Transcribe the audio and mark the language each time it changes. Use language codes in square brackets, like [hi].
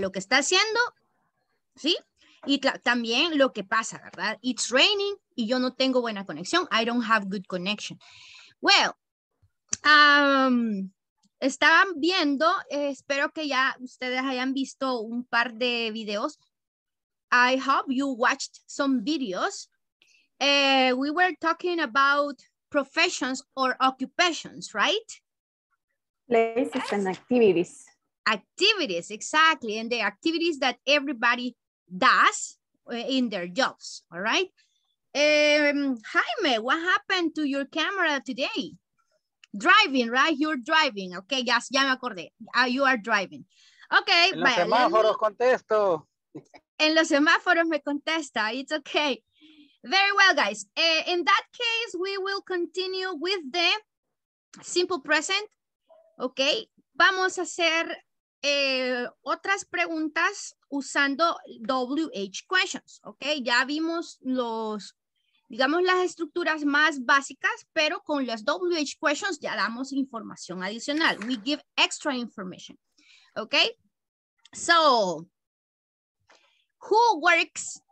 [es] Lo que está haciendo, ¿sí? Y también lo que pasa, ¿verdad? [en] It's raining [es] y yo no tengo buena conexión. [en] I don't have good connection. [es] Well, estaban viendo, espero que ya ustedes hayan visto un par de videos. [en] I hope you watched some videos. We were talking about professions or occupations, right? Places, yes. And activities. Activities, exactly. And the activities that everybody does in their jobs, all right? Jaime, what happened to your camera today? Driving, right? You're driving. Okay, yes, [es] ya me acordé. [en] You are driving. Okay. [es] En los semáforos contesto. En los semáforos me contesta. [en] It's okay. Very well, guys. In that case, we will continue with the simple present. Okay. [es] Vamos a hacer otras preguntas usando WH questions. Okay. Ya vimos los, digamos, las estructuras más básicas, pero con las WH questions ya damos información adicional. [en] We give extra information. Okay. So, who works?